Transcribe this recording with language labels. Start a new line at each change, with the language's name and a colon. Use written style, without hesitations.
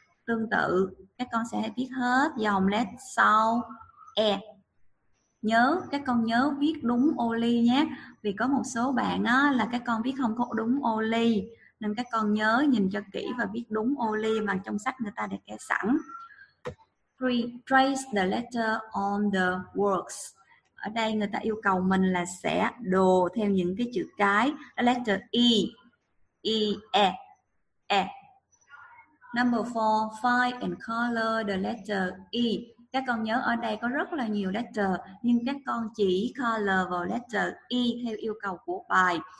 Vietnamese: Tương tự, các con sẽ viết hết dòng letter sau E. Nhớ, các con nhớ viết đúng ô ly nhé. Vì có một số bạn á, là các con viết không có đúng ô ly. Nên các con nhớ nhìn cho kỹ và viết đúng ô ly mà trong sách người ta đã kẻ sẵn.
English: Trace the letter on the words.
Vietnamese: Ở đây người ta yêu cầu mình là sẽ đồ theo những cái chữ cái.
English: Letter E, E, E, E. Number 4, find and color the letter E.
Vietnamese: Các con nhớ ở đây có rất là nhiều letter, nhưng các con chỉ color vào letter E theo yêu cầu của bài.